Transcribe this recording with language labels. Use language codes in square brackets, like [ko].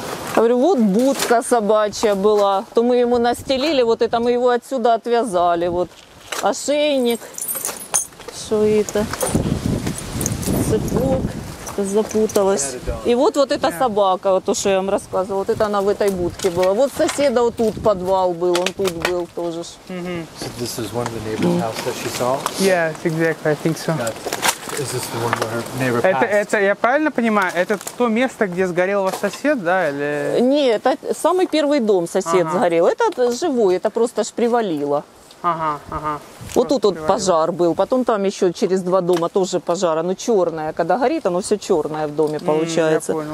[ru] Я говорю, вот будка собачья была. То мы ему настелили, вот это мы его отсюда отвязали. Вот. Ошейник. Что это? Цепок. Запуталась. И вот, вот эта собака, вот то, что я вам рассказывала, вот это она в этой будке была. Вот соседа вот тут подвал был, он тут был тоже. [en] So this is one of the neighbor's house that she saw? Yeah, exactly, I think so. Is this the one where her neighbor passed? [ru] Это, я правильно понимаю, это то место, где сгорел ваш сосед, да, или... Нет, это самый первый дом сосед сгорел. Это живой, это просто ж привалило. Ага. Вот тут вот пожар был, потом там еще через два дома тоже пожар, оно черное, когда горит, оно все черное в доме получается.